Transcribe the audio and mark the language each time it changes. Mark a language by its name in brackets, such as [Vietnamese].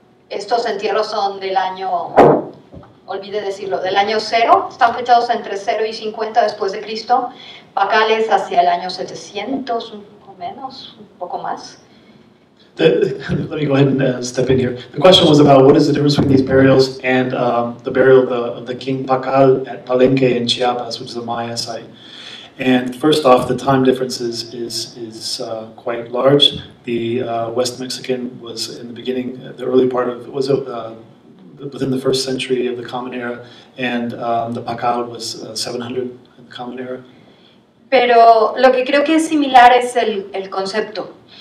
[Spanish] Estos entierros son del año, olvide decirlo, del año 0, están fechados entre 0 y 50 después de Cristo. Pakal es hacia el año 700, un poco menos, un poco más. [English] Let me go ahead and step in here. The question was about what is the difference between these burials and the burial of the King Pakal at Palenque in Chiapas, which is a Maya site. And first off, the time difference is quite large. The West Mexican was in the beginning, the early part of, was within the first century of the Common Era, and the Pakal was 700 in the Common Era. [Spanish] Pero lo que creo que es similar es el concepto.